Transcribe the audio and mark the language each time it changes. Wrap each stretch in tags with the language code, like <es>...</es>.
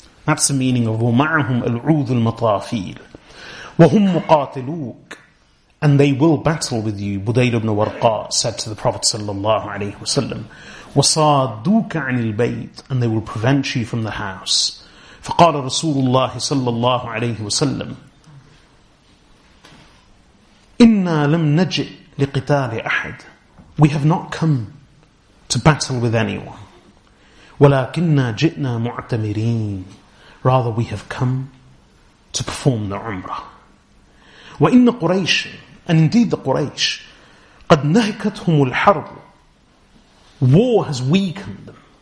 <en>That's the meaning of</en> <ar>وَمَعَهُمْ الْعُوذُ الْمَطَافِيلِ وَهُمْ مُقَاتِلُوكَ,</ar> <en>and they will battle with you. Budayl ibn Warqa said to the Prophet sallallahu alayhi wasallam,</en> <ar>وَصَادُوكَ عَنِ الْبَيْتِ,</ar> <en>and they will prevent you from the house.</en> <ar>فَقَالَ رَسُولُ اللَّهِ صَلَّى اللَّهُ عَلَيْهِ وَسَلَّمُ إِنَّا لَمْ نَجِئْ لِقِتَالِ أَحَدٍ,</ar> <en>we have not come to battle with anyone.</en> <ar>وَلَكِنَّا جِئْنَا مُعْتَمِرِينَ,</ar> <en>rather we have come to perform the Umrah.</en> <ar>وَإِنَّ قُرَيْشَ,</ar> <en>and indeed the Quraysh,</en> <ar>قَدْ نَهِكَتْهُمُ الْحَرْبُ,</ar> <en>war has weakened them.</en>